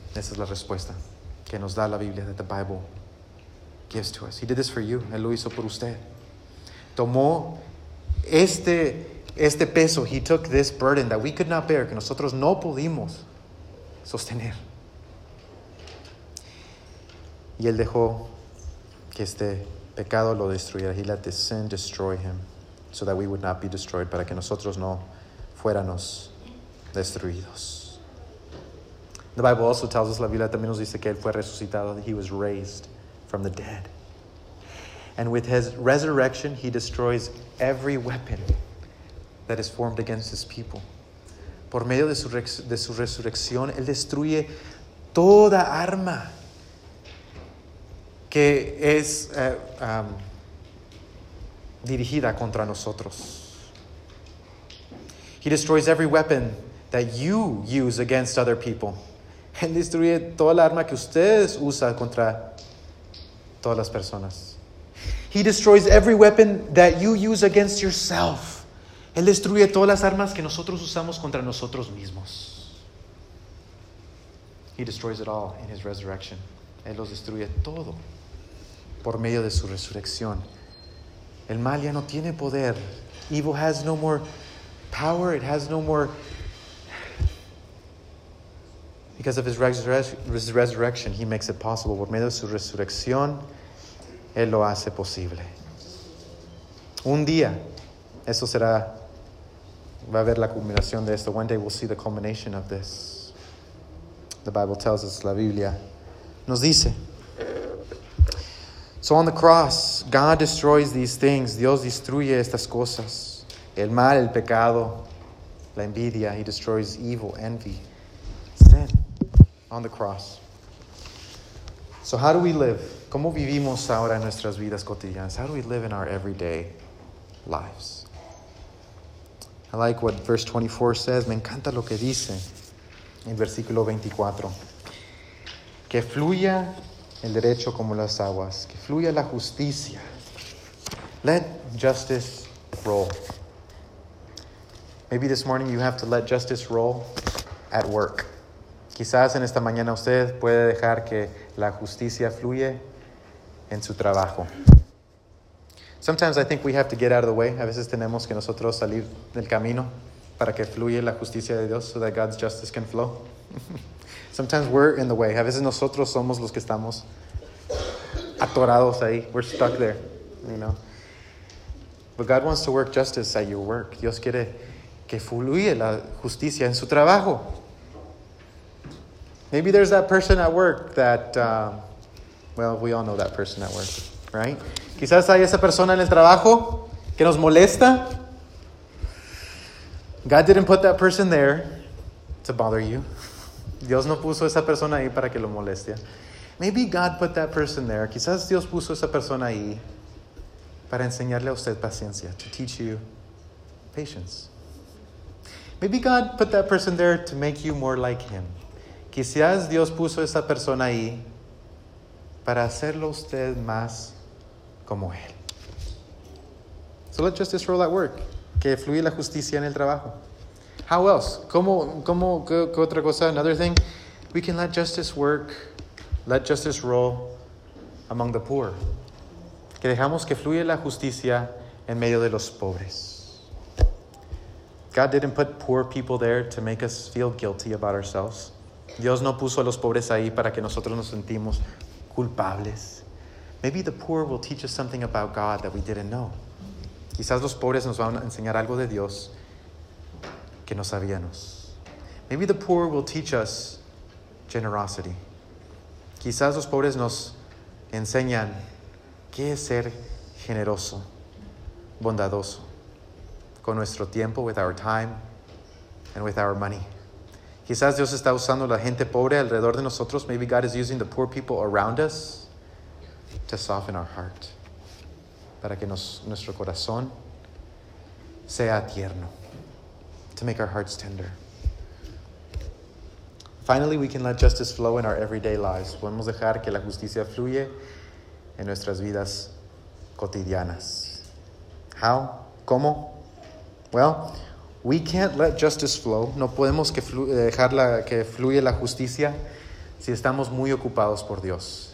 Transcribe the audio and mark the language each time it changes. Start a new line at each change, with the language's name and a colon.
English: This is
Spanish: la respuesta que nos da la Biblia,
English: that the Bible gives to us. He did this for you.
Spanish: Él lo hizo por usted. Tomó este peso.
English: He took this burden that we could not bear,
Spanish: que nosotros no pudimos sostener. Y él dejó que este pecado lo destruyera.
English: He let this sin destroy him so that we would not be destroyed,
Spanish: para que nosotros no fuéramos destruidos.
English: The Bible also tells us,
Spanish: la Biblia también nos dice que él fue resucitado.
English: He was raised from the dead. And with his resurrection, he destroys every weapon that is formed against his people.
Spanish: Por medio de su resurrección, él destruye toda arma que es dirigida contra nosotros.
English: He destroys every weapon that you use against other people.
Spanish: Él destruye toda la arma que ustedes usan contra todas las personas.
English: He destroys every weapon that you use against yourself.
Spanish: Él destruye todas las armas que nosotros usamos contra nosotros mismos.
English: He destroys it all in his resurrection.
Spanish: Él los destruye todo por medio de su resurrección. El mal ya no tiene poder.
English: Evil has no more power. It has no more... Because of his resurrection, he makes it possible.
Spanish: Por medio de su resurrección, él lo hace posible. Un día, eso será... Va a haber la culminación de esto.
English: One day we'll see the culmination of this. The Bible tells us,
Spanish: la Biblia nos dice...
English: So on the cross, God destroys these things.
Spanish: Dios destruye estas cosas. El mal, el pecado, la envidia.
English: He destroys evil, envy, sin. On the cross. So how do we live?
Spanish: ¿Cómo vivimos ahora en nuestras vidas cotidianas?
English: How do we live in our everyday lives? I like what verse 24 says.
Spanish: Me encanta lo que dice en versículo 24. Que fluya el derecho como las aguas. Que fluya la justicia.
English: Let justice roll. Maybe this morning you have to let justice roll at work.
Spanish: Quizás en esta mañana usted puede dejar que la justicia fluya en su trabajo.
English: Sometimes I think we have to get out of the way.
Spanish: A veces tenemos que nosotros salir del camino para que fluya la justicia de Dios,
English: so that God's justice can flow. Sometimes we're in the way.
Spanish: A veces nosotros somos los que estamos atorados ahí.
English: We're stuck there, you know. But God wants to work justice at your work.
Spanish: Dios quiere que fluya la justicia en su trabajo.
English: Maybe there's that person at work that, we all know that person at work, right?
Spanish: Quizás hay esa persona en el trabajo que nos molesta.
English: God didn't put that person there to bother you.
Spanish: Dios no puso esa persona ahí para que lo moleste.
English: Maybe God put that person there.
Spanish: Quizás Dios puso esa persona ahí para enseñarle a usted paciencia,
English: to teach you patience. Maybe God put that person there to make you more like him.
Spanish: Quizás Dios puso esa persona ahí para hacerlo usted más como él.
English: So let justice roll at work.
Spanish: Que fluya la justicia en el trabajo.
English: How else?
Spanish: ¿Qué otra cosa?
English: Another thing. We can let justice work. Let justice roll among the poor.
Spanish: Que dejamos que fluya la justicia en medio de los pobres.
English: God didn't put poor people there to make us feel guilty about ourselves.
Spanish: Dios no puso a los pobres ahí para que nosotros nos sentimos culpables.
English: Maybe the poor will teach us something about God that we didn't know.
Spanish: Quizás los pobres nos van a enseñar algo de Dios que no sabíamos.
English: Maybe the poor will teach us generosity.
Spanish: Quizás los pobres nos enseñan qué es ser generoso, bondadoso, con nuestro tiempo,
English: with our time, and with our money.
Spanish: Quizás Dios está usando la gente pobre alrededor de nosotros.
English: Maybe God is using the poor people around us to soften our heart.
Spanish: Para que nuestro corazón sea tierno.
English: To make our hearts tender. Finally, we can let justice flow in our everyday lives.
Spanish: Podemos dejar que la justicia fluya en nuestras vidas cotidianas.
English: How?
Spanish: ¿Cómo?
English: Well, we can't let justice flow.
Spanish: No podemos dejar que fluya la justicia si estamos muy ocupados por Dios.